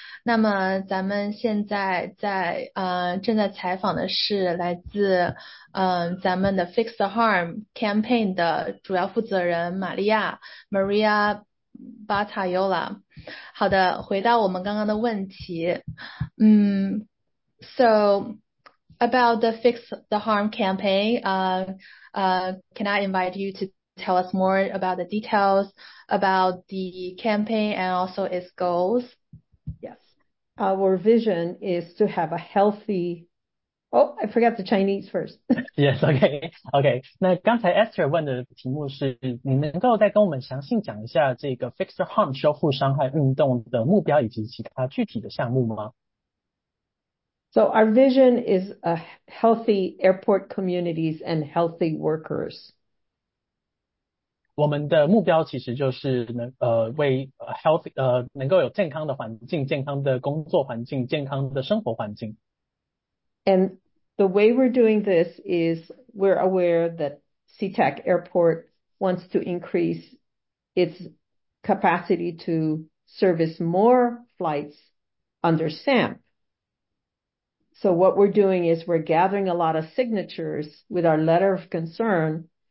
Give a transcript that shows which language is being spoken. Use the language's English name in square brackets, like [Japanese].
[Chinese] 那么咱们现在在正在采访的是来自咱们的 Fix the Harm Campaign 的主要负责人玛利亚 Maria Batayola。好的，回到我们刚刚的问题。 [English] So about the Fix the Harm Campaign, can I invite you to tell us more about the details about the campaign and also its goals? Yes. Our vision is to have a healthy... Oh, I forgot the Chinese first. Yes, okay. [Chinese] 那刚才 Esther 问的题目是，你能够再跟我们详细讲一下这个 Fix the Harm 修复伤害运动的目标以及其他具体的项目吗？ [English] So our vision is a healthy airport communities and healthy workers. [Chinese] 我们的目标其实就是能够有健康的环境、健康的工作环境、健康的生活环境。 [English] And the way we're doing this is we're aware that SeaTac Airport wants to increase its capacity to service more flights under SAMP. So what we're doing is we're gathering a lot of signatures with our letter of concern.